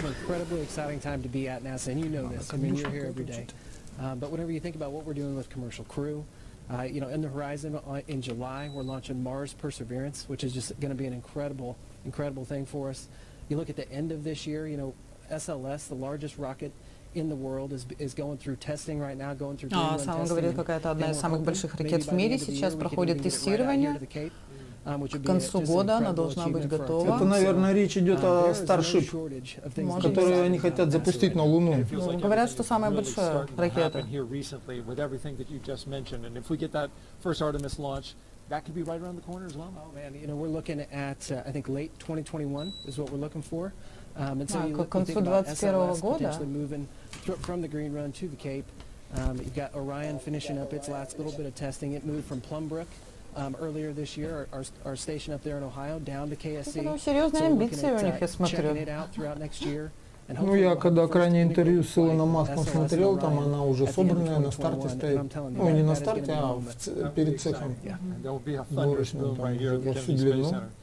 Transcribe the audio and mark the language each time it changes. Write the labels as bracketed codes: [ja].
[en] an incredibly exciting time to be at NASA, and you know this. I mean, you're here every day. But whatever you think about what we're doing with commercial crew, You know, in the horizon in July, we're launching Mars Perseverance, which is just going to be an incredible, incredible thing for us. You look at the end of this year, you know, SLS, the largest rocket in the world, is going through testing right now, going through Greenland testing. [ru] Он говорит, какая-то одна из самых больших ракет в мире сейчас проходит тестирование. К концу года она должна быть готова. Это, наверное, речь идет о Starship, которую они хотят запустить на Луну. Говорят, что самая большая ракета. [en] That could be right around the corner as well. Oh man, you know, we're looking at I think late 2021 is what we're looking for. And so you look, you think about SLS potentially moving from the Green Run to the Cape. You've got Orion finishing up its last little bit of testing. It moved from Plumbrook earlier this year, our station up there in Ohio, down to KSC. [ru] Серьезные амбиции у них, я смотрю. [en] Checking it out throughout next year. [ru] Ну, я когда крайнее интервью с Илоном Маском смотрел, там она уже собранная, на старте стоит. Ну, не на старте, а перед цехом. Горочным, там, во всю длину.